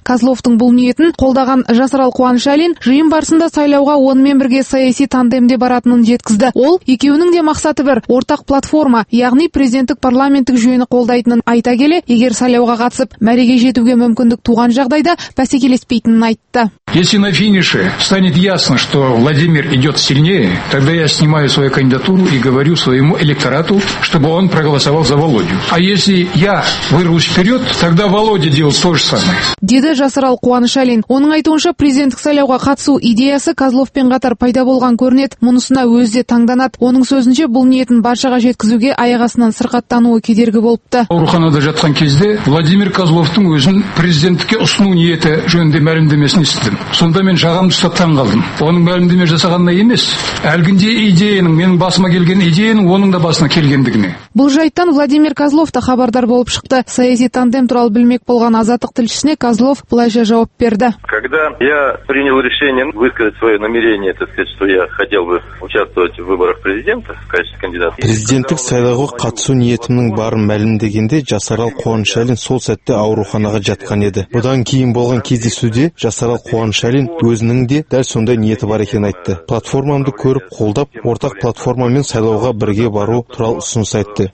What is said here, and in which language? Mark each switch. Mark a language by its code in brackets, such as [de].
[kk] Козловтың бұл ниетін қолдаған Жасарал Қуанышәлин жиын барысында сайлауға онымен бірге саяси тандемде баратынын жеткізді. Ол екеуінің де мақсаты бір, ортақ платформа, яғни президенттік парламенттік жүйені қолдайтынын айта келе, егер сайлауға қатысып мәреге жетуге мүмкіндік туған жағдайда бәсекелеспейтінін айтты. [ru] Если на финише станет ясно, что Владимир идет сильнее, тогда я снимаю свою кандидатуру и говорю своему электорату, чтобы он проголосовал за Володю. А если я вырвусь вперед, тогда Володя делает то же самое. [kk] Деді Жасырал Қуанышәлин. Оның айтуынша президенттік сайлауға қатысу идеясы Козловпен қатар пайда болған көрінет, мұнысына өзі де таңданады. Оның сөзінше бұл ниетін баршаға жеткізуге аяғасынан сырқаттануы кедергі болыпты. Ауруханада жатқан кезде Владимир Козловтың өзін президенттікке ұсыну ниеті жөнінде мәлімдемесін естідім. Сонда мен жағамды ұстап таң қалдым. Оның мәлімдеме жасағанына емес, әлгінде идеяның, менің басыма келген идеяның оның да басына келгендігіне. Бұл жайттан Владимир Козлов та хабардар болып шықты. Саяси тандем туралы білмек болған Азаттық тілшісіне Козлов былайша жауап берді. [ru] Когда я принял решение высказать свое намерение, так сказать, что я хотел бы участвовать в выборах президента в качестве кандидата. [kk] Президенттік сайлауға қатысу ниетімнің барын мәлімдегенде Жасарал Қуанышәлин сол сәтте ауруханаға жатқан еді. Бұдан кейін болған кездесуде Жасарал Қуанышәлин өзінің де дәл сондай ниеті бар екенін айтты. Платформамды көріп қолдап, ортақ платформамен сайлауға бірге бару туралы ұсыныс айтты.